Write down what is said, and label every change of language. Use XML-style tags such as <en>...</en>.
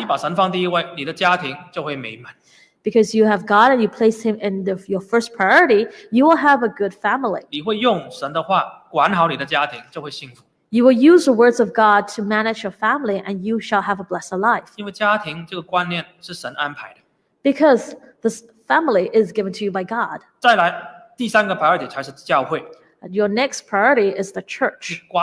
<zh>你把神放第一位, 你的家庭就会美满。</zh> <en>Because you have God and you place Him in your first priority, you will have a good family.</en> <zh>你会用神的话管好你的家庭，就会幸福。</zh> <en>You will use the words of God to manage your family, and you shall have a blessed life.</en> <zh>因为家庭这个观念是神安排的。</zh> <en>Because this family is given to you by God.</en> <zh>再来，第三个 priority 才是教会。</zh> <en>Your next priority is the church.</en>